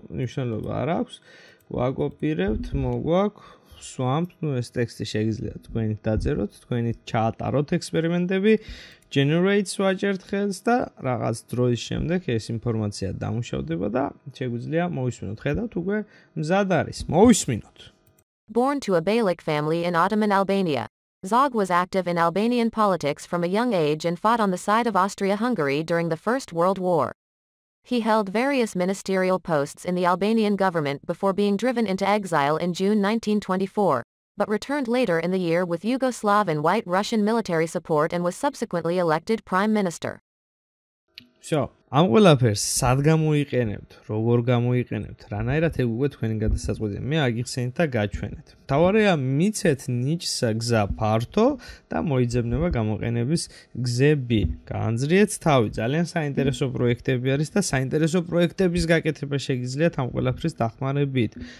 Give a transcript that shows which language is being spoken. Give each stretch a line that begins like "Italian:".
Georgian: მნიშვნელობა არ აქვს. გვაკოპირებთ, მოგვაქვს swamp,
Russian: ну
Georgian: ეს ტექსტი შეგიძლიათ თქვენ დაწეროთ, თქვენ ჩაატაროთ ექსპერიმენტები, generate-ს ვაჭერთ ხელს და რაღაც დროის შემდეგ ეს ინფორმაცია დამუშავდება და შეგვიძლია მოვისმინოთ. ხედავთ, უკვე მზად არის. მოვისმინოთ.
English: Born to a Beylik family in Ottoman Albania. Zog was active in Albanian politics from a young age and fought on the side of Austria-Hungary during the First World War. He held various ministerial posts in the Albanian government before being driven into exile in June 1924, but returned later in the year with Yugoslav and White Russian military support and was subsequently elected prime minister.
Georgian: So, ამ ყველაფერს სად გამოიყენებთ, როგორ გამოიყენებთ, რანაირად ეგ უკვე თქვენი გადასაწყვეტია. მე აგიხსენით და გაჩვენეთ. მთავარია მიცეთ ნიჩს გზა ფართო და მოიძებნება გამოყენების გზები. განძრიეთ თავი, ძალიან საინტერესო პროექტები არის და საინტერესო პროექტების გაკეთება შეგიძლიათ ამ ყველაფრის დახმარებით.